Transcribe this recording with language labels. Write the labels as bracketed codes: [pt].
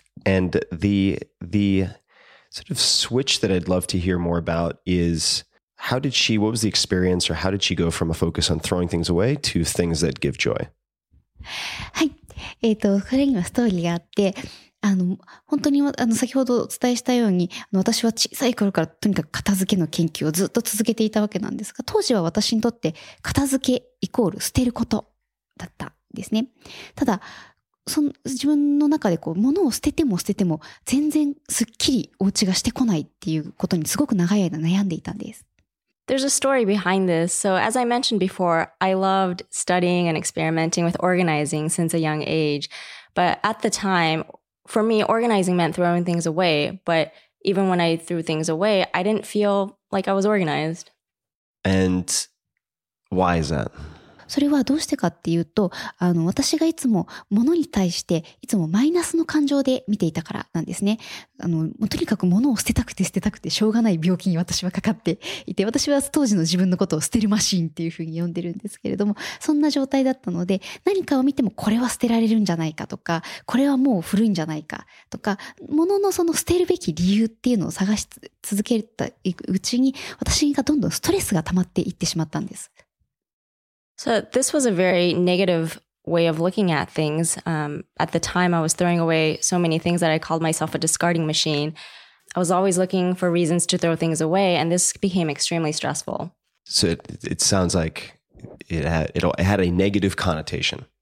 [en] And the sort of switch that I'd love to hear more about is what was the experience or how did she go from a focus on throwing things away to things that give joy? [ja] はい。彼にはストーリーがあって、本当に先ほどお伝えしたように、私は小さい頃からとにかく片付けの研究をずっと続けていたわけなんですが、当時は私にとって片付けイコール捨てることだったんですね。ただ、その自分の中でこう物を捨てても捨てても全然すっきりお家がしてこないっていうことにすごく長い間悩んでいたんです。 [en] There's a story behind this. So as I mentioned before, I loved studying and experimenting with organizing since a young age. But at the time, for me, organizing meant throwing things away. But even when I threw things away, I didn't feel like I was organized. And why is that? [ja] それはどうしてかっていうと、私がいつも物に対していつもマイナスの感情で見ていたからなんですね。とにかく物を捨てたくて捨てたくてしょうがない病気に私はかかっていて、私は当時の自分のことを捨てるマシーンっていうふうに呼んでるんですけれども、そんな状態だったので、何かを見てもこれは捨てられるんじゃないかとか、これはもう古いんじゃないかとか、物のその捨てるべき理由っていうのを探し続けたうちに、私がどんどんストレスが溜まっていってしまったんです。 [en] So this was a very negative way of looking at things. At the time, I was throwing away so many things that I called myself a discarding machine. I was always looking for reasons to throw things away, and this became extremely stressful. So it sounds like it had a negative connotation.